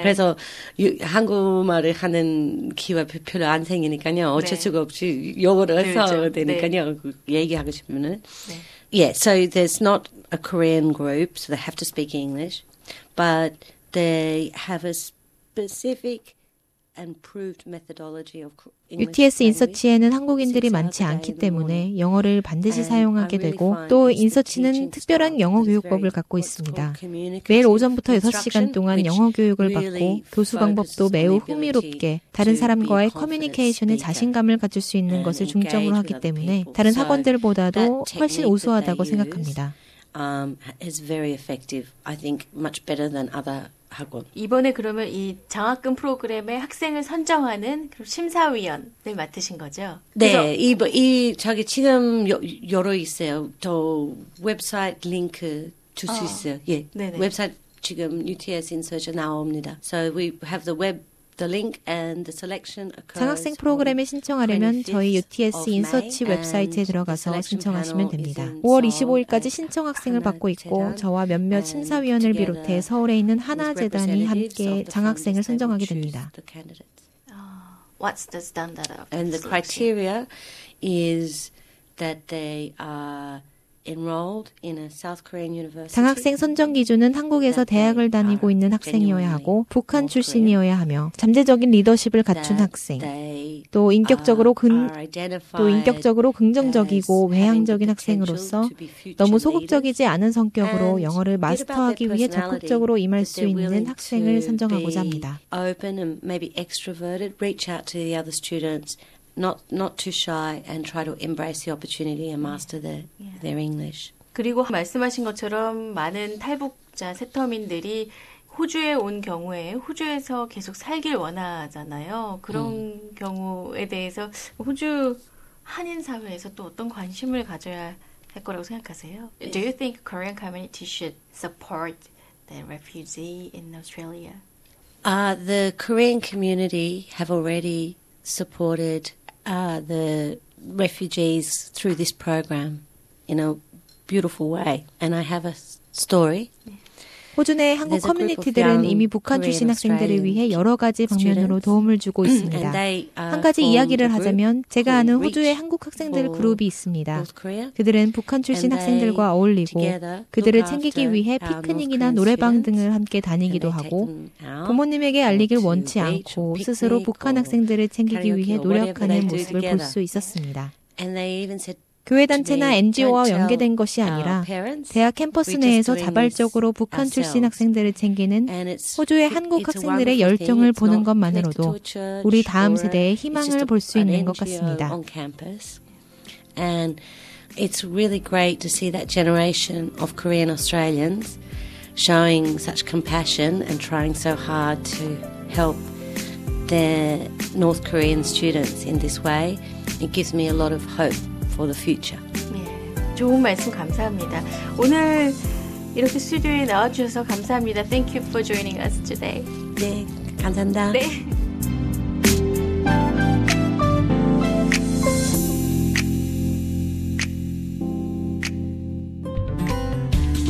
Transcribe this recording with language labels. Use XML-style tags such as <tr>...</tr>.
<ko>그래서 한국말을 하는 기회 별로 안 생기니까요. 어쩔 수가 없이 영어를 해서 그렇죠. 되니까요. 얘기하고 싶으면은</ko> <en>Yeah, so there's not a Korean group, so they have to speak English, but they have a specific and proved methodology of</en> <ko>UTS 인서치에는 한국인들이 많지 않기 때문에 영어를 반드시 사용하게 되고 또 인서치는 특별한 영어 교육법을 갖고 있습니다. 매일 오전부터 6시간 동안 영어 교육을 받고 교수 방법도 매우 흥미롭게 다른 사람과의 커뮤니케이션에 자신감을 가질 수 있는 것을 중점으로 하기 때문에 다른 학원들보다도 훨씬 우수하다고 생각합니다.</ko> <en>Is very effective. I think much better than other 학원.</en> <ko>이번에 그러면 이 장학금 프로그램의 학생을 선정하는 심사위원을 맡으신 거죠? 네, 이 저기 지금 열어 있어요. 저 웹사이트 링크 줄 수 있어요. 예, 네네. 웹사이트 지금 UTS 인서트 나옵니다.</ko> <en>So we have the web The link and the selection occurs.</en> <ko>장학생 프로그램에 신청하려면 저희 UTS 인서치 웹사이트에 들어가서 신청하시면 됩니다. 5월 25일까지 신청 학생을 받고 있고 저와 몇몇 심사위원을 비롯해 서울에 있는 하나재단이 함께 장학생을 선정하게 됩니다.</ko> <en>What's the standard? And the criteria is that they are enrolled in a South Korean university.</en> <ko>장학생 선정 기준은 한국에서 대학을 다니고 있는 학생이어야 하고 북한 출신이어야 하며 잠재적인 리더십을 갖춘 학생 또 인격적으로 긍정적이고 외향적인 학생으로서 너무 소극적이지 않은 성격으로 영어를 마스터하기 위해 적극적으로 임할 수 있는 학생을 선정하고자 합니다.</ko> <en>Open and maybe extroverted, reach out to the other students. Not too shy and try to embrace the opportunity and master their English.</en> <ko>그리고 말씀하신 것처럼 많은 탈북자 세터민들이 호주에 온 경우에 호주에서 계속 살길 원하잖아요. 그런 경우에 대해서 호주 한인 사회에서 또 어떤 관심을 가져야 할 거라고 생각하세요?</ko> <en>Do you think Korean community should support the refugee in Australia? The Korean community have already supported the refugees through this program in a beautiful way. And I have a story.</en> <ko>호주 내 한국 커뮤니티들은 이미 북한 출신 학생들을 위해 여러 가지 방면으로 도움을 주고 있습니다. 한 가지 이야기를 하자면 제가 아는 호주의 한국 학생들 그룹이 있습니다. 그들은 북한 출신 학생들과 어울리고 그들을 챙기기 위해 피크닉이나 노래방 등을 함께 다니기도 하고 부모님에게 알리길 원치 않고 스스로 북한 학생들을 챙기기 위해 노력하는 모습을 볼 수 있었습니다. 교회 단체나 NGO와 연계된 것이 아니라 대학 캠퍼스 내에서 자발적으로 북한 출신 학생들을 챙기는 호주의 한국 학생들의 열정을 보는 것만으로도 우리 다음 세대의 희망을 볼 수 있는 것 같습니다.</ko> <en>And it's really great to see that generation of Korean Australians showing such compassion and trying so hard to help their North Korean students in this way. It gives me a lot of hope. For the future.</en> <ko>좋은 말씀 감사합니다. 오늘 이렇게 스튜디오에 나와주셔서 감사합니다.</ko> <en>Thank you for joining us today.</en> <ko>네, 감사합니다. 네.</ko>